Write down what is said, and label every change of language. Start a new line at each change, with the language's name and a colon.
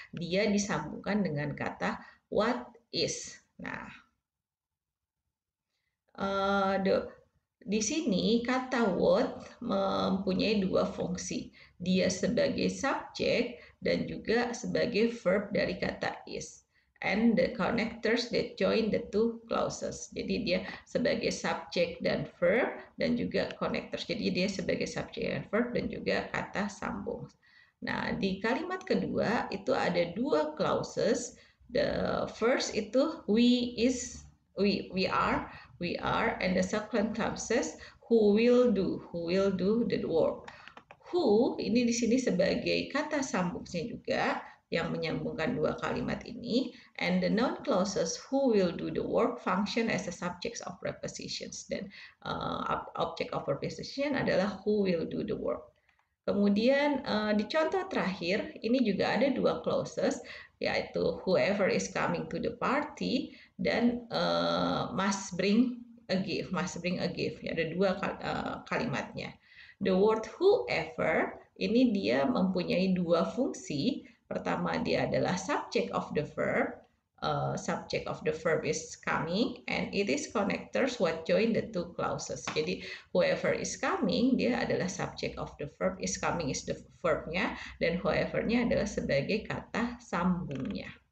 Indonesian: Dia disambungkan dengan kata what is. Nah, di sini kata what mempunyai dua fungsi. Dia sebagai subjek dan juga sebagai verb dari kata is.
English: And the connectors that join the two clauses.
Indonesian: Jadi dia sebagai subject dan verb dan juga connectors. Jadi dia sebagai subject dan verb dan juga kata sambung. Nah, di kalimat kedua itu ada dua clauses.
English: The first itu we are, and the second clauses who will do the work. Who
Indonesian: ini di sini sebagai kata sambungnya juga, yang menyambungkan dua kalimat ini,
English: and the noun clauses who will do the work function as the subjects of prepositions, dan object of preposition adalah who will do the work.
Indonesian: Kemudian di contoh terakhir ini juga ada dua clauses, yaitu
English: whoever is coming to the party
Indonesian: dan
English: must bring a gift,
Indonesian: ya, ada dua kalimatnya.
English: The word whoever
Indonesian: ini dia mempunyai dua fungsi. Pertama, dia adalah subject of the verb.
English: Subject of the verb is coming, and it is connectors what join the two clauses.
Indonesian: Jadi,
English: whoever is coming,
Indonesian: dia adalah subject of the verb.
English: Is coming is the
Indonesian: verbnya, dan whoever-nya adalah sebagai kata sambungnya.